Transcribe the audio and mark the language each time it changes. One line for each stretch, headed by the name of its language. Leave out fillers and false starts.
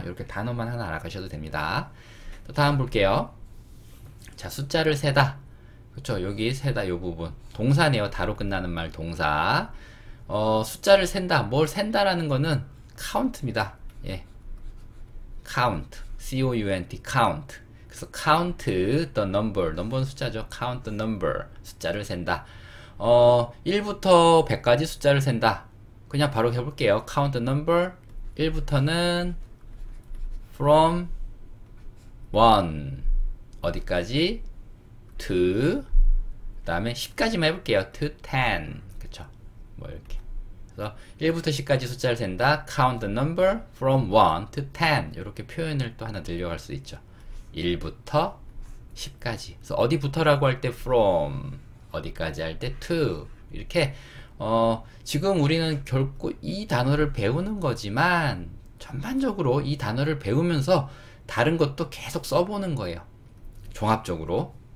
Korean: 이렇게 단어만 하나 알아가셔도 됩니다. 또 다음 볼게요. 자, 숫자를 세다. 그쵸? 여기 세다, 요 부분. 동사네요. 다로 끝나는 말, 동사. 숫자를 센다. 뭘 센다라는 거는 카운트입니다. 예. 카운트. count. count. 그래서
English: count the number.
Korean: 넘버는 숫자죠.
English: count the number.
Korean: 숫자를 센다. 1부터 100까지 숫자를 센다. 그냥 바로 해볼게요. count the number. 1부터는 from 1. 어디까지? to 그다음에 10까지만 해볼게요.
English: to 10.
Korean: 그쵸? 뭐 이렇게. 그래서 1부터 10까지 숫자를 센다.
English: count the number from 1 to 10.
Korean: 이렇게 표현을 또 하나 늘려갈 수 있죠. 1부터 10까지. 그래서 어디부터라고 할때 from, 어디까지 할때 to. 이렇게 지금 우리는 결코 이 단어를 배우는 거지만 전반적으로 이 단어를 배우면서 다른 것도 계속 써보는 거예요. 종합적으로.